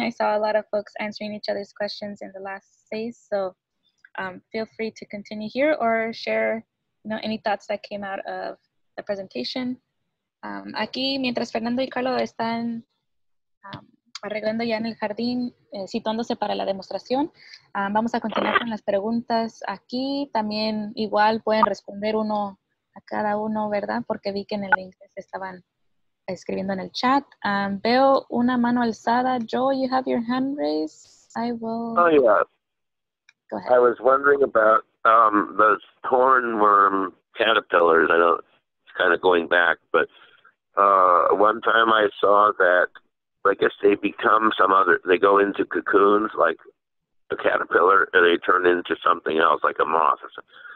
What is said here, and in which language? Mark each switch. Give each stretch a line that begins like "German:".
English: I saw a lot of folks answering each other's questions in the last space, so feel free to continue here or share, you know, any thoughts that came out of the presentation.
Spanish: Aquí, mientras Fernando y Carlo están arreglando ya en el jardín, situándose para la demostración, vamos a continuar con las preguntas aquí. También igual pueden responder uno a cada uno, ¿verdad? Porque vi que en el inglés estaban escribiendo en el chat. Veo una mano alzada.
English: Joe, you have your hand raised. I will... Oh, yeah. Go ahead. I was wondering about those hornworm caterpillars. I know it's kind of going back, but one time I saw that, I guess they become some other, they go into cocoons like a caterpillar, and they turn into something else, like a moth or something.